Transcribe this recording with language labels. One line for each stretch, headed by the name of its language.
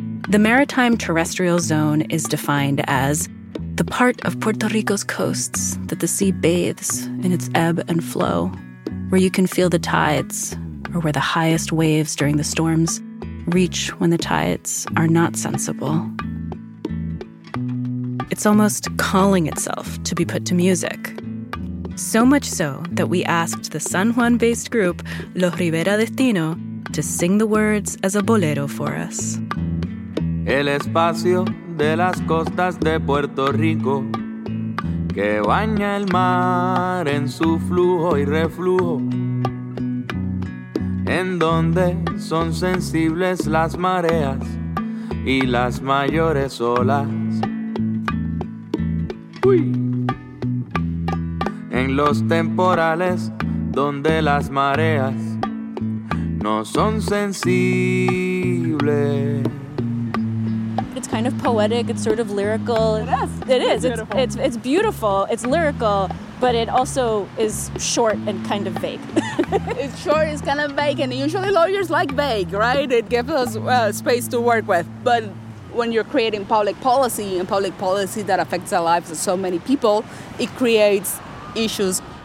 English: The maritime terrestrial zone is defined as the part of Puerto Rico's coasts that the sea bathes in its ebb and flow, where you can feel the tides, or where the highest waves during the storms reach when the tides are not sensible. It's almost calling itself to be put to music. So much so that we asked the San Juan-based group Los Rivera Destino to sing the words as a bolero for us.
Spanish: El espacio de las costas de Puerto Rico que baña el mar en su flujo y reflujo en donde son sensibles las mareas y las mayores olas. Uy. En los temporales donde las mareas no son sensibles.
English: It's kind of poetic, it's sort of lyrical. It's beautiful, it's lyrical, but it also is short and kind of vague. It's short, it's kind of vague, and usually lawyers like vague, right? It gives us space to work with. But when you're creating public policy, and public policy that affects the lives of so many people, it creates issues.